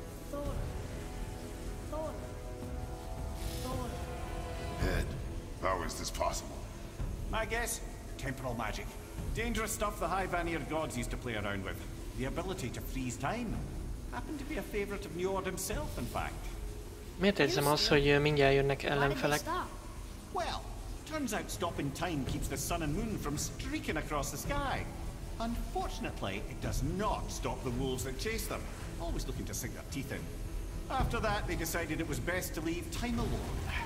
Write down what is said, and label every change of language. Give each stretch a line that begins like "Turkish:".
English: Thor. Thor. Thor. Head, how is this possible? My guess? Temporal magic. Dangerous stuff the High Vanir gods used to play around with. The ability to freeze time. Happened to be a favorite of Njord himself, in fact.
Hungarian: Miért érzem azt, hogy mindjárt jönnek ellenfelek?
English: Well, turns out stopping time keeps the sun and moon from streaking across the sky. Unfortunately, it does not stop the wolves that chase them, always looking to sink their teeth in. After that, they decided it was best to leave time alone.